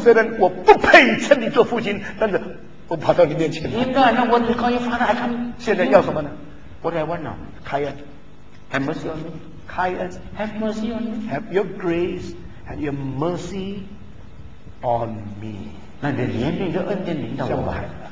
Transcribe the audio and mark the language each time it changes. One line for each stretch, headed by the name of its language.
Chinese: 虽然我不配称你做父亲，但是我跑到你面前。
English: Even though I know what to call you father, I come.
Chinese: 现在要什么呢
English: ？What do I want now?
Chinese: 开恩。
English: Have mercy on me.
Chinese: 开恩。
English: Have mercy on me. Have your grace and your mercy on me.
Chinese: 那你的怜悯就恩典临到我吧。